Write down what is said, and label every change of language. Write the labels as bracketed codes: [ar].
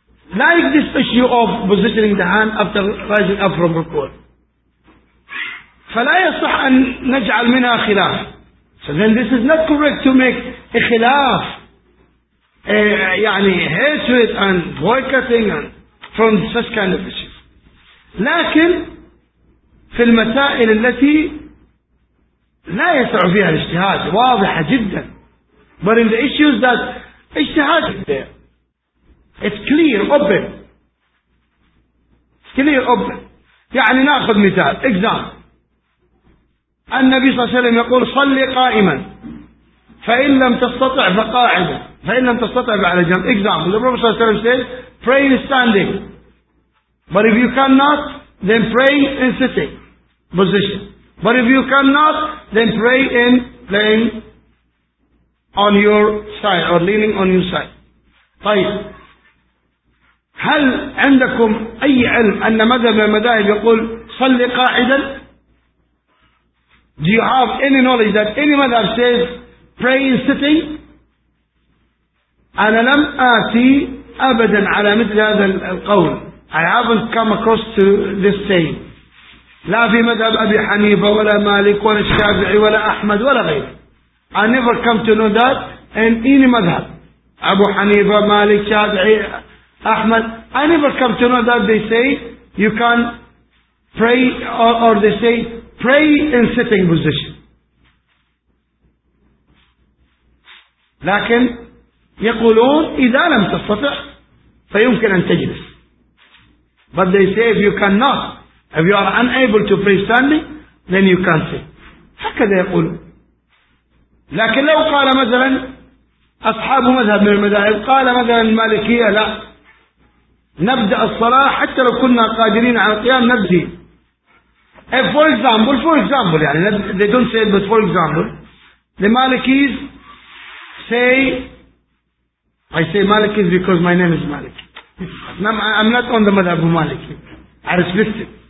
[en] Like this issue of positioning the hand after rising up from rukuk. [ar] فلا يصح أن نجعل منها خلاف. [en] So then this is not correct to make a خلاف. يعني hatred and boycotting and from such kind of issues. [ar] لكن في المسائل التي لا يسع فيها الاجتهاد واضحة جدا. [en] But in the issues that اجتهاد there, it's clear, open. It's clear, open. [ar] يعني نأخذ مثال. [en] Example. [ar] النبي صلى الله عليه وسلم يقول صلي قائما فإن لم تستطع فقاعدا فإن لم تستطع فعلى جنب. [en] Example. The Prophet [ar] صلى الله عليه وسلم [en] says pray in standing. But if you cannot, then pray in sitting position. But if you cannot, then pray in laying on your side or leaning on your side. [ar] طيب هل عندكم أي علم أن مذهب المذاهب يقول صلي قاعدا؟ [en] Do you have any knowledge that any madhab says pray in sitting? [ar] أنا لم آتي أبدا على مثل هذا القول. [en] I haven't come across to this saying. [ar] لا في مذهب أبي حنيفة ولا مالك ولا الشافعي ولا أحمد ولا غيره. [en] I never come to know that in any مذهب. [ar] أبو حنيفة مالك شافعي أحمد. [en] I never come to know that they say you can pray or they say pray in sitting position. [ar] لكن يقولون إذا لم تستطع فيمكن أن تجلس. [en] But they say if you cannot, if you are unable to pray standing, then you can't sit. [ar] هكذا يقولون. لكن لو قال مثلا أصحاب مذهب من المذاهب قال مثلا المالكية لا نبدأ الصلاة حتى لو كنا قادرين على القيام نبدأ. [en] For example يعني they don't say it, but for example the Malikis say, I say Malikis because my name is Malik. I'm not on the madhab of Malik. I respect it.